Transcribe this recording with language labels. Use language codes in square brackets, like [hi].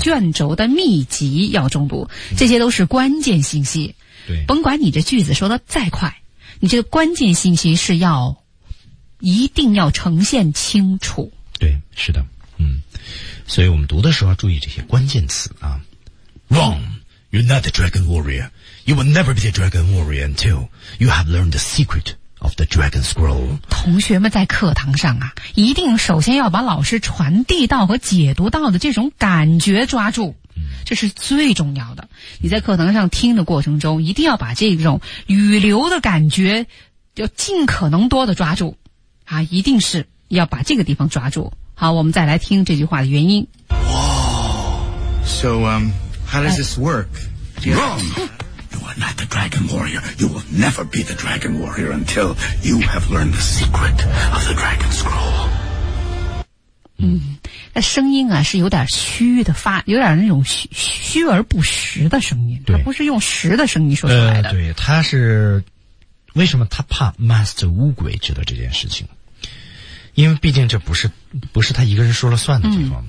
[zh] 卷轴的秘籍要中毒。这些都是关键信息。对。甭管你这句子说的再快，你这个关键信息是要一定要呈现清楚。对，是的，所以我们读的时候要注意这些关键词啊。 [en] Wrong, you're not the dragon warrior. You will never be the dragon warrior until you have learned the secret of the dragon scroll. [zh] 同学们在课堂上啊，一定首先要把老师传递到和解读到的这种感觉抓住，这是最重要的。你在课堂上听的过程中，一定要把这种语流的感觉就尽可能多的抓住。啊，一定是要把这个地方抓住。好，我们再来听这句话的原因。 [en] So, how does this work? Wrong! You are not the dragon warrior. You will never be the dragon warrior until you have learned the secret of the dragon scroll. [zh] 那声音啊是有点虚的发，有点那种 虚而不实的声音。对。它不是用实的声音说出来的。对，它是为什么他怕 Master 乌鬼知道这件事情？因为毕竟这不是他一个人说了算的地方。